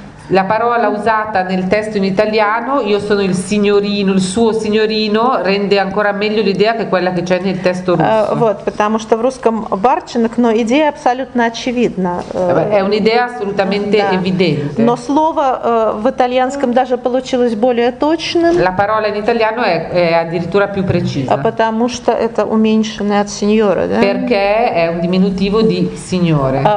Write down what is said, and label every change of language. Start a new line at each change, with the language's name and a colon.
Italian: La parola usata nel testo in italiano, io sono il signorino, il suo signorino, rende ancora meglio l'idea che quella che c'è nel testo russo.
Russian: Вот, потому что в русском барчинок, но идея абсолютно очевидна.
Italian: È un'idea assolutamente evidente.
Russian: Но слово в итальянском даже получилось более точным.
Italian: La parola in italiano è addirittura più precisa.
Russian: Потому что это уменьшенное от сеньора, да?
Italian: Perché è un diminutivo di signore.